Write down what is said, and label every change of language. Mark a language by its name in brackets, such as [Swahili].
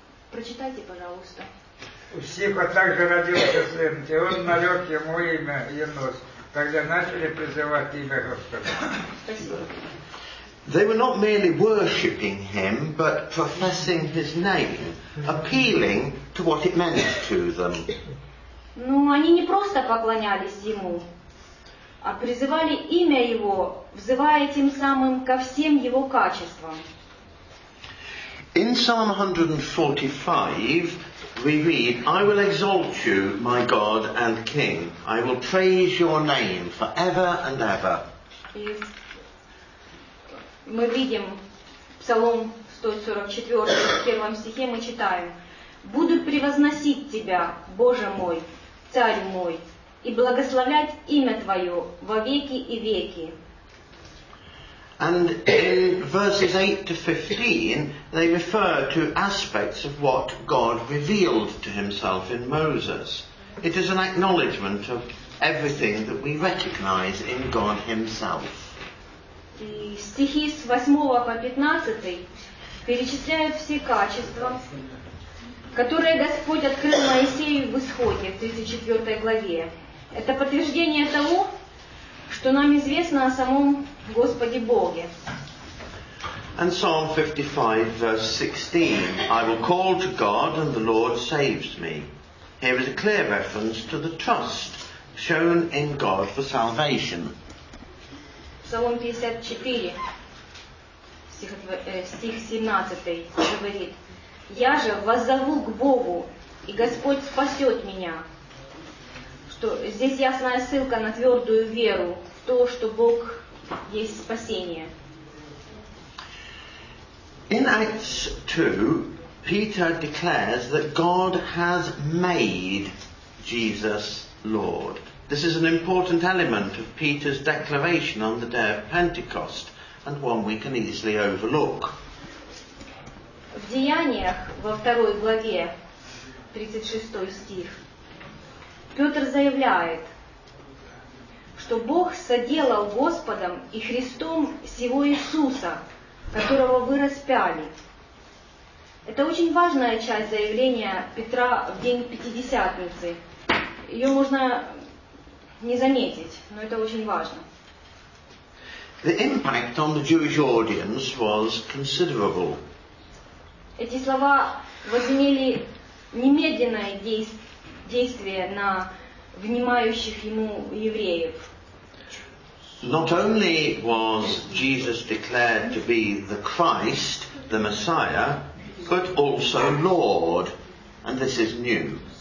[Russian] Прочитайте, пожалуйста. У Сифа также родился сын, и он нарек ему имя Енос. Тогда начали призывать имя Господа. [English] They were not merely worshipping him, but professing his name, appealing to what it meant to them. [Russian] Ну, они не просто поклонялись ему, а призывали имя его, взывая тем самым ко всем его качествам. [English] In Psalm 145, we read, I will exalt you, my God and King. I will praise your name forever and ever. [Russian] Мы видим Псалом 144, в первом стихе мы читаем: буду превозносить тебя, Боже мой, Царь мой, и благословлять имя твое во веки и веки. [English] And in verses 8-15, they refer to aspects of what God revealed to himself in Moses. It is an acknowledgement of everything that we recognize in God himself. [Russian] И стихи с 8 по 15 перечисляют все качества, которые Господь открыл Моисею в Исходе, в 34 главе. Это подтверждение того, что нам известно о самом Господи Боге. [English] And Psalm 55, verse 16, I will call to God and the Lord saves me. Here is a clear reference to the trust shown in God for salvation. Psalm 54, [Russian] стих 17, говорит: я же воззову к Богу, и Господь спасет меня. Что здесь ясная ссылка на твердую веру в то, что Бог есть спасение. [English] In Acts 2, Peter declares that God has made Jesus Lord. This is an important element of Peter's declaration on the day of Pentecost, and one we can easily overlook. [Russian] В Деяниях, во второй главе, 36 стих, Петр заявляет, что Бог соделал Господом и Христом сего Иисуса, которого вы распяли. Это очень важная часть заявления Петра в день Пятидесятницы. Ее можно не заметить, но это очень важно. [English] The impact on the Jewish audience was considerable. [Russian] Эти слова возымели немедленное действие на внимающих ему евреев. [English] Not only was Jesus declared to be the Christ, the Messiah, but also Lord, and this is new.